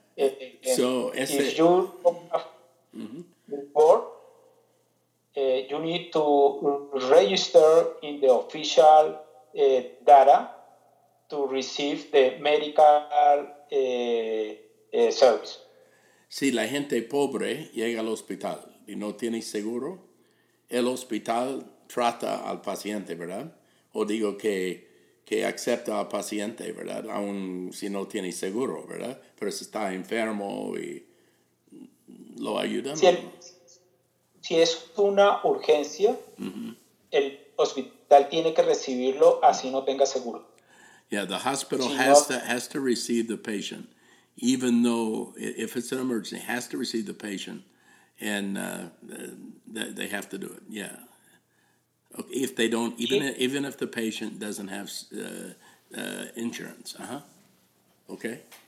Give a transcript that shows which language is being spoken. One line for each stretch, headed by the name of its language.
English: If you report, you need to register in the official data to receive the medical service.
Spanish: Si la gente pobre llega al hospital y no tiene seguro, el hospital trata al paciente, ¿verdad? O digo que acepta al paciente, ¿verdad? Aún si no tiene seguro, ¿verdad? Pero si está enfermo y lo ayuda. Si es una urgencia, el hospital tiene que recibirlo así no tenga seguro.
English: Yeah, the hospital has to receive the patient, even though if it's an emergency, has to receive the patient, and they have to do it, yeah. If they don't, even if the patient doesn't have insurance, okay.